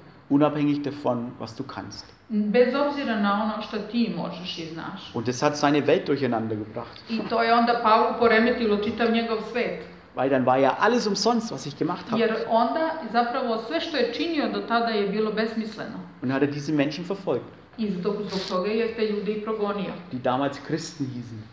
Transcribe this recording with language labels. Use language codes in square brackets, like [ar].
[de] Unabhängig davon, was du kannst. [sr] Bez obzira na ono što ti možeš i znaš. [de] Und es hat seine Welt durcheinander gebracht. [sr] I to je onda Pavlu poremetilo čitav njegov svet. [de] Weil dann war ja alles umsonst, was ich gemacht habe. [sr] Jer onda zapravo sve što je činio do tada je bilo besmisleno. [de] Und hat er diese Menschen verfolgt. [sr] I zbog toga je te ljude i progonio. [de] Die damals Christen hießen.